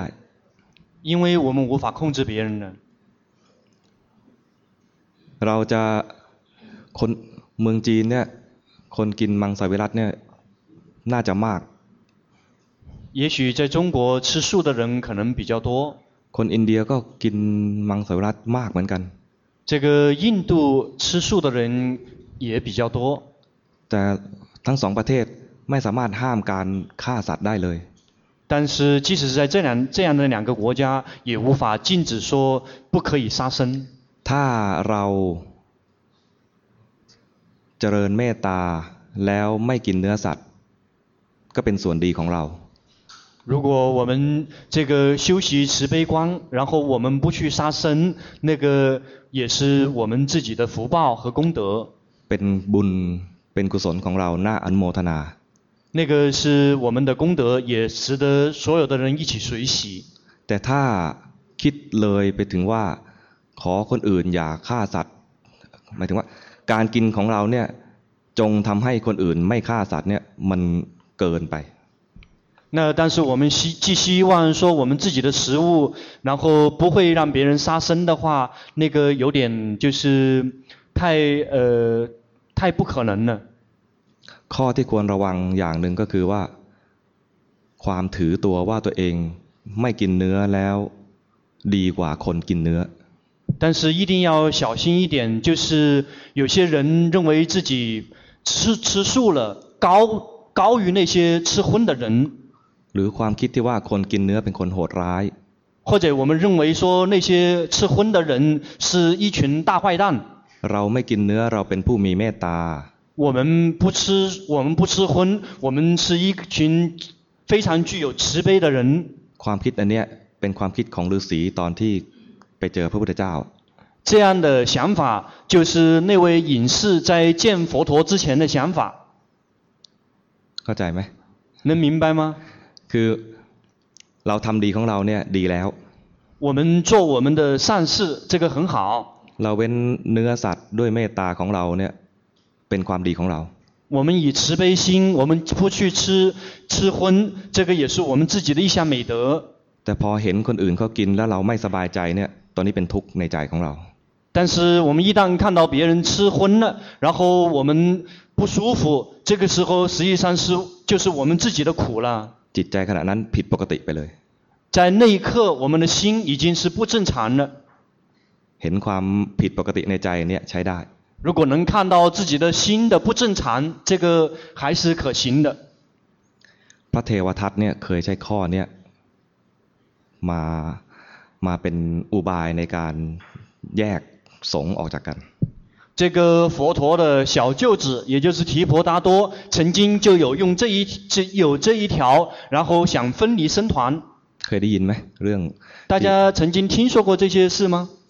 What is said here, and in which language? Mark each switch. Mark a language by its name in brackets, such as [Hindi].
[Chinese] 因为我们无法控制别人的 [Thai] เราจะคนเมืองจีนเนี่ยคนกินมังสวิรัติเนี่ยน่าจะมาก [Chinese] 也许在中国吃素的人可能比较多 [Thai] คนอินเดียก็กินมังสวิรัติมากเหมือนกัน [Chinese] 这个印度吃素的人也比较多 [Thai] แต่ทั้งสองประเทศไม่สามารถห้ามการฆ่าสัตว์ได้เลย [Chinese] 但是即使是在这样的两个国家也无法禁止说不可以杀生 [Thai] ถ้าเราเจริญเมตตาแล้วไม่กินเนื้อสัตว์ก็เป็นส่วนดีของเรา [Chinese] 如果我们这个修习慈悲观然后我们不去杀生那个也是我们自己的福报和功德 [Thai] เป็นบุญเป็นกุศลของเราน่าอนุโมทนา [Chinese] 那个是我们的功德也值得所有的人一起随喜 [Thai] แต่ถ้าคิดเลยไปถึงว่าขอคนอื่นอย่าฆ่าสัตว์หมายถึงว่าการกินของเราเนี่ยจงทำให้คนอื่นไม่ฆ่าสัตว์เนี่ยมันเกินไป [Chinese] 那但是我们希望说我们自己的食物然后不会让别人杀生的话那个有点就是太不可能了 [Thai] ข้อที่ควรระวังอย่างหนึ่งก็คือว่าความถือตัวว่าตัวเองไม่กินเนื้อแล้วดีกว่าคนกินเนื้อ [Chinese] 但是一定要小心一点就是有些人认为自己吃素了高于那些吃荤的人 [Thai] หรือความคิดที่ว่าคนกินเนื้อเป็นคนโหดร้าย [Chinese] 或者我们认为说那些吃荤的人是一群大坏蛋 [Thai] เราไม่กินเนื้อเราเป็นผู้มีเมตตา [Chinese] 我们不吃荤我们是一群非常具有慈悲的人 [Thai] ความคิดอันเนี้ยเป็นความคิดของฤาษีตอนที่ไปเจอพระพุทธเจ้า [Chinese] 这样的想法就是那位隐士在见佛陀之前的想法 [Thai] เข้าใจไ [Chinese] หม能明白吗 [Thai] คือเราทำดีของเราเนี่ยดีแล้ว [Chinese] 我们做我们的善事这个很好 [Thai] เราเว้นเนื้อสัตว์ด้วยเมตตาของเราเนี่ยเป็นความดีของเรา [Chinese] 我们以慈悲心我们不去吃荤这个也是我们自己的一项美德 [Thai] แต่พอเห็นคนอื่นเขากินแล้วเราไม่สบายใจเนี่ยตอนนี้เป็นทุกข์ในใจของเรา [Chinese] 但是我们一旦看到别人吃荤了然后我们不舒服这个时候实际上是就是我们自己的苦了 [Thai] จิตใจขณะนั้นผิดปกติไปเลย [Chinese] 在那一刻我们的心已经是不正常了 [Thai] เห็นความผิดปกติในใจเนี่ยใช้ได้ [Chinese] 如果能看到自己的心的不正常这个还是可行的 [Thai] พระเทวทัตเนี่ยเคยใช้ข้อเนี่ยมาเป็นอุบายในการแยกสงฆ์ออกจากกัน [Chinese] 这个佛陀的小舅子也就是提婆达多曾经就有用这一条然后想分离僧团 [Thai] เคยได้ยินไหมเรื่อง [Chinese] 大家曾经听说过这些事吗